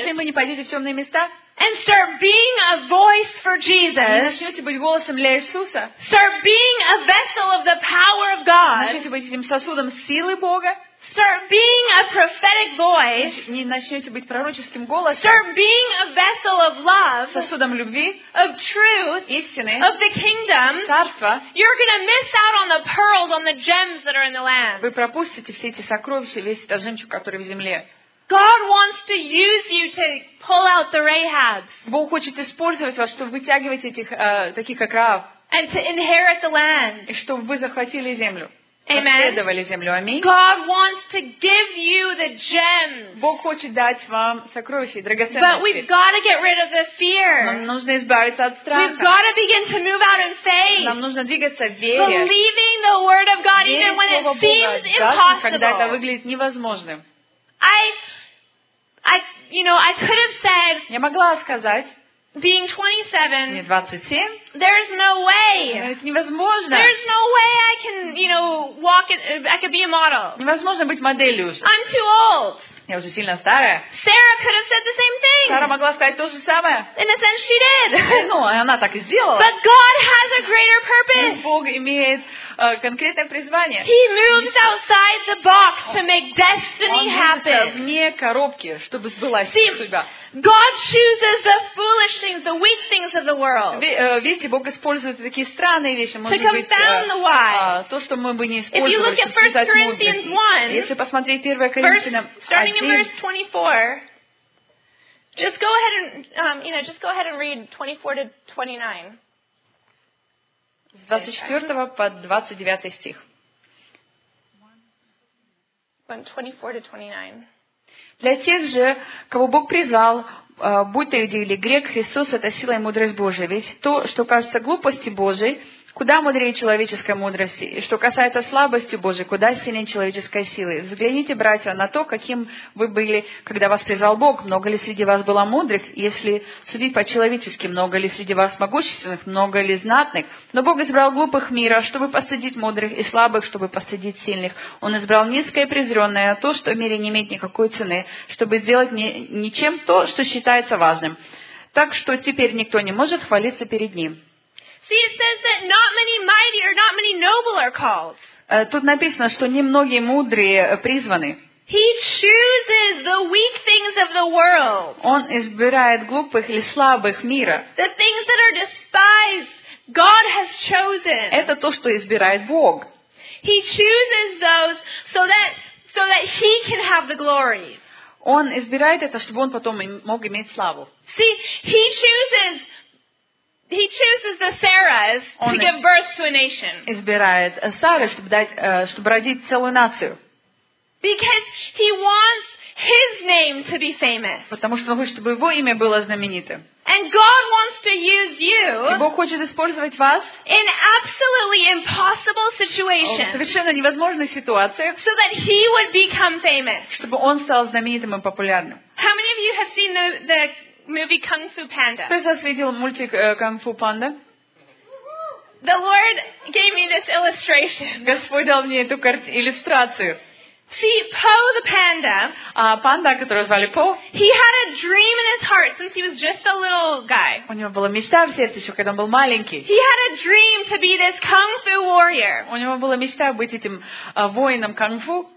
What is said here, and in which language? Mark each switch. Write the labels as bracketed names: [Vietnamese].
[Russian] если вы не пойдете в темные места, [English] and start being a voice for Jesus, [Russian] и начнете быть голосом для Иисуса, [English] start being a vessel of the power of God, [Russian] начнете быть этим сосудом силы Бога, [English] start being a prophetic voice, [Russian] начнете быть пророческим голосом, [English] start being a vessel of love, [Russian] сосудом любви, [English] of truth, [Russian] истины, [English] of the kingdom, [Russian] царства, [English] you're gonna miss out on the pearls, on the gems that are in the land. [Russian] Вы пропустите все эти сокровища, весь этот жемчуг, который в земле. [English] God wants to use you to pull out the Rahabs. [Russian] Бог хочет использовать вас, чтобы вытягивать этих таких как Рав. [English] And to inherit the land. [Russian] И чтобы вы захватили землю. [English] Amen. God wants to give you the gems. [Russian] Бог хочет дать вам сокровища, драгоценности. [English] But we've got to get rid of the fear. [Russian] Нам нужно избавиться от страха. [English] We've got to begin to move out in faith. [Russian] Нам нужно двигаться в вере. [English] Believing the word of God even when it seems impossible. [Russian] Когда это выглядит невозможным. [English] I could have said. [Russian] Я могла сказать. [English] Being 27, [Russian] мне 27. [English] There's no way. [Russian] Это невозможно. [English] There's no way I can, you know, walk in, I could be a model. [Russian] Невозможно быть моделью уже. [English] I'm too old. [Russian] Я уже сильно старая. [English] Sarah could have said the same thing. [Russian] Сара могла сказать то же самое. [English] In a sense, she did. [Russian] Ну, она так и сделала. [English] But God has a greater purpose. [Russian] Бог имеет конкретное призвание. [English] He moves outside the box to make destiny happen. [Russian] Он движется вне коробки, чтобы сбылась судьба. [English] God chooses the foolish things, the weak things of the world. [Russian] Видите, Бог использует такие странные вещи, может быть, [English] to confound the wise. [Russian] То, что мы бы не использовали. [English] If you look at 1 Corinthians 1, [Russian] если посмотреть 1 Коринфянам 1, [English] starting in verse 24. Just go ahead and just go ahead and read 24 to 29. [Russian] С 24 по 29 стих. [English] 24 to 29. [Russian] Для тех же, кого Бог призвал, будь то иудей или грек, Христос – это сила и мудрость Божия. Ведь то, что кажется глупостью Божией, куда мудрее человеческой мудрости. И что касается слабости Божией, куда сильнее человеческой силы. Взгляните, братья, на то, каким вы были, когда вас призвал Бог. Много ли среди вас было мудрых? Если судить по-человечески, много ли среди вас могущественных, много ли знатных? Но Бог избрал глупых мира, чтобы постыдить мудрых, и слабых, чтобы постыдить сильных. Он избрал низкое и презренное, то, что в мире не имеет никакой цены, чтобы сделать ничем то, что считается важным. Так что теперь никто не может хвалиться перед Ним. [English] See, it says that not many mighty or not many noble are called. [Russian] Тут написано, что не многие мудрые призваны. [English] He chooses the weak things of the world. [Russian] Он избирает глупых или слабых мира. [English] The things that are despised, God has chosen. [Russian] Это то, что избирает Бог. [English] He chooses those so that he can have the glory. [Russian] Он избирает это, чтобы он потом мог иметь славу. [English] See, he chooses the Sarahs to give birth to a nation. [Russian] Избирает Сары, чтобы родить целую нацию. [English] Because he wants his name to be famous. [Russian] Потому что он хочет, чтобы его имя было знаменитым. [English] And God wants to use you. [Russian] И Бог хочет использовать вас. [English] In absolutely impossible situations. [Russian] В совершенно невозможных ситуациях. [English] So that he would become famous. [Russian] Чтобы он стал знаменитым и популярным. [English] How many of you have seen the movie Kung Fu Panda? [Russian] Кто из вас видел мультик Kung Fu Panda? [English] The Lord gave me this illustration. [Russian] Господь дал мне эту иллюстрацию. [English] See, Po the panda. [Russian] Панда, которого звали По. [English] He had a dream in his heart since he was just a little guy. [Russian] У него была мечта в сердце, еще когда он был маленький. [English] He had a dream to be this kung fu warrior. [Russian] У него была мечта быть этим воином кунг-фу.